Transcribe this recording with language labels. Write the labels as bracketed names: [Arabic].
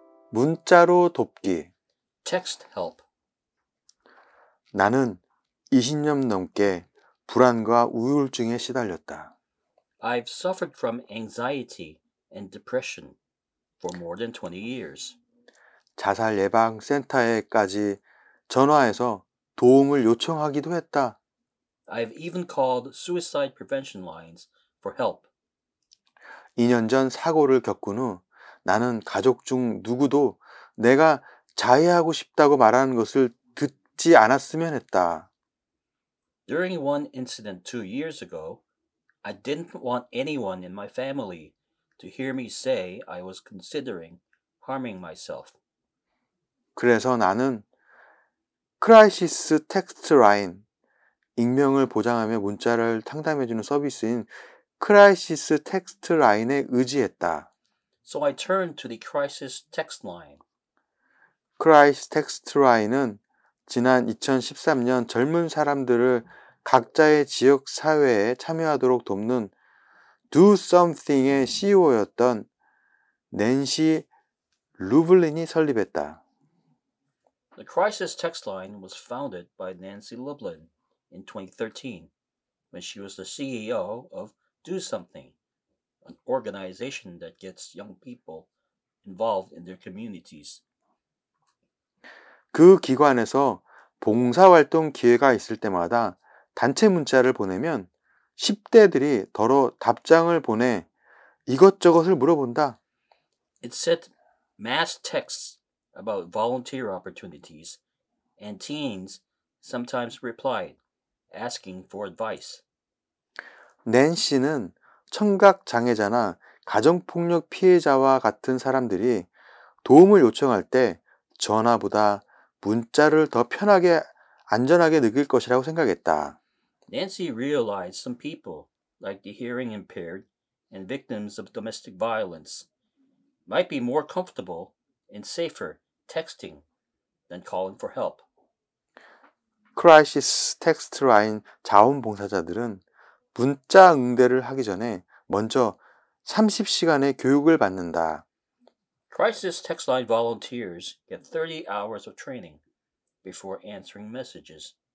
[Korean] 문자로 돕기. [English] Text help. [Korean] 나는 20년 넘게 불안과 우울증에 시달렸다. [English] I've suffered from anxiety and depression for more than 20 years. [Korean] 자살 예방 센터에까지 전화해서 도움을 요청하기도 했다. [English] I've even called suicide prevention lines for help. [Korean] 2년 전 사고를 겪은 후 나는 가족 중 누구도 내가 자해하고 싶다고 말하는 것을 듣지 않았으면 했다. [English] During one incident 2 years ago, I didn't want anyone in my family to hear me say I was considering harming myself. [Korean] 그래서 나는 크라이시스 텍스트 라인, 익명을 보장하며 문자를 상담해주는 서비스인 크라이시스 텍스트 라인에 의지했다. [English] So I turned to the crisis text line. [Korean] 크라이시스 텍스트 라인은 지난 2013년 젊은 사람들을 각자의 지역 사회에 참여하도록 돕는 Do Something의 CEO였던 낸시 루블린이 설립했다. [English] The crisis text line was founded by Nancy Lublin in 2013 when she was the CEO of Do Something, an organization that gets young people involved in their communities. [Korean] 그 기관에서 봉사활동 기회가 있을 때마다 단체 문자를 보내면 10대들이 더러 답장을 보내 이것저것을 물어본다. [English] It sent mass texts about volunteer opportunities, and teens sometimes replied, asking for advice. [Korean] 낸시는 청각장애자나 가정폭력 피해자와 같은 사람들이 도움을 요청할 때 전화보다 문자를 더 편하게, 안전하게 느낄 것이라고 생각했다. [English] Nancy realized some people, like the hearing impaired and victims of domestic violence, might be more comfortable and safer texting than calling for help. [Korean] 크라이시스 텍스트 라인 자원봉사자들은 문자 응대를 하기 전에 먼저 30시간의 교육을 받는다. [English] Crisis text line volunteers get 30 hours of training before answering messages.